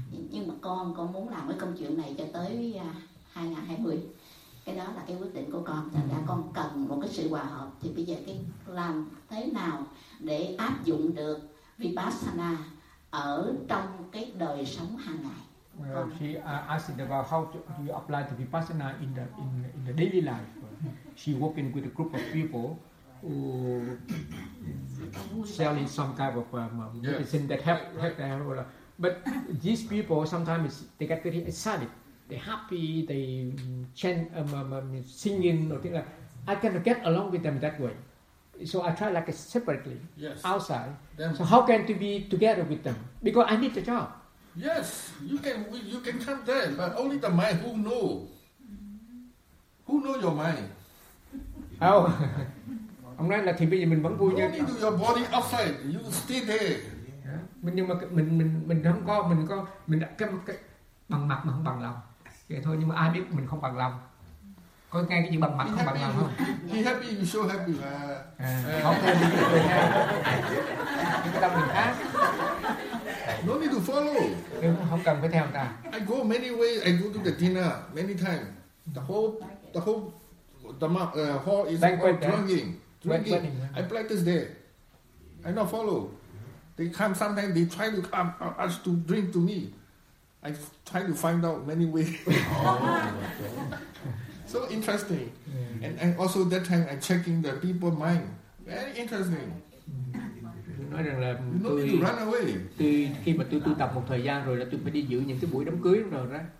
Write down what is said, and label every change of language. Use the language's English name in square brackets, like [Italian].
[Vietnamese] Nhưng mà con muốn làm cái công chuyện này cho tới 2020. Cái đó là cái quyết định của con. Thành ra con cần một cái sự hòa hợp. Thì bây giờ cái làm thế nào để áp dụng được Vipassana ở trong cái đời sống hàng ngày? [English] Well, she asked about how do you apply the Vipassana in the daily life. She working with a group of people who selling some type of medicine that help them. But these people sometimes they get very excited, they happy, they chant, singing or things like that. I cannot get along with them that way. So I try like separately outside. Then so how can to be together with them? Because I need the job. Yes, you can come there, but only the mind who know. Who know your mind? [Vietnamese] Oh, ông nói là thì bây giờ mình vẫn vui [English] nhé. Only do your body outside. You stay there. Yeah. [Vietnamese] Mình nhưng mà mình không có mình có mình đã cái bằng mặt mà không bằng lòng. Vậy thôi, nhưng mà ai biết mình không bằng lòng? Có nghe cái gì bằng mặt không bằng lòng không? [English] He happy, you so happy. [Vietnamese] Không thể đi được đâu. Những cái tâm mình khác. [English] No need to follow. [Vietnamese] Không cần phải theo ta. [English] I go many ways. I go to the dinner many times. The whole hall is banquet, drinking. Drinking. I practice there. I not follow. They come sometimes. They try to come ask to drink to me. I try to find out many ways. So interesting. Yeah. And also that time I checking the people mind. Very interesting. [Vietnamese] Nói rằng là tôi khi mà tôi tu tập một thời gian rồi là tôi phải đi giữ những cái buổi đám cưới rồi đó.